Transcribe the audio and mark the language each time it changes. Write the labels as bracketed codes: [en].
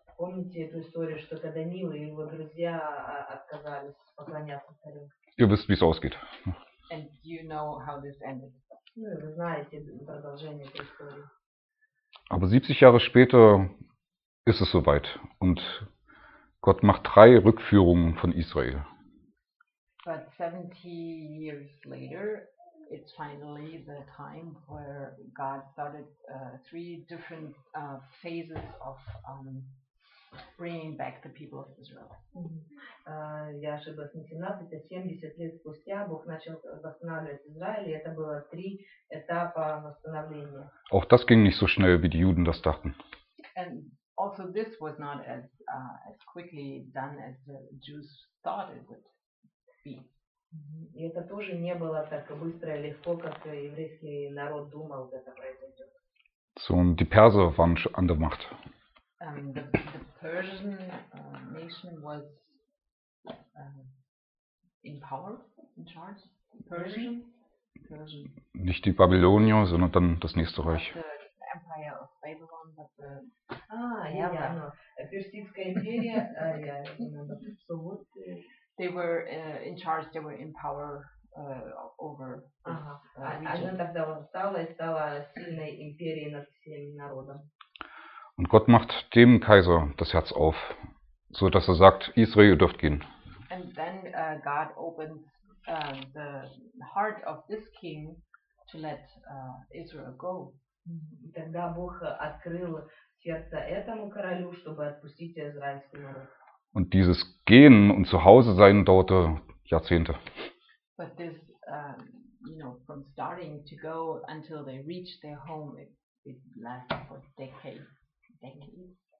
[ru] Помните эту историю, что когда Нил и его друзья отказались поклоняться царю? И вы знаете, как это закончилось. Вы знаете продолжение этой истории. [de] Aber 70 Jahre später ist es soweit und Gott macht 3 Rückführungen von Israel. [en] But 70 years later, it's finally the time where God started 3 different phases of bringing back the people of Israel. [ru] Я ошиблась, не 17, а 70 лет спустя Бог начал восстанавливать Израиль, и это было 3 этапа восстановления. [de] Auch das ging nicht so schnell, wie die Juden das dachten. [en] And also this was not as as quickly done as the Jews thought it would be. [ru] И это тоже не было так быстро и легко, как еврейский народ думал, что это произойдет. [de] So, und die Perser waren an der Macht. [en] The Persian nation was in power, in charge. Persian. [de] Nicht die Babylonier, sondern dann das nächste Reich. [en] The Empire of Babylon, but the Persian Empire. So what? They were in charge. They were in power over. [ru] Ага. А тогда вот стала сильной империей над всем народом. [de] Und Gott macht dem Kaiser das Herz auf, so dass er sagt, Israel, ihr dürft gehen. [en] And then God opens the heart of this king to let Israel go. [ru] Тогда Бог открыл сердце этому королю, чтобы отпустить израильский народ. [de] Und dieses Gehen und Zuhause sein dauerte Jahrzehnte. [en] But this, you know, from starting to go until they reach their home, it lasted for decades.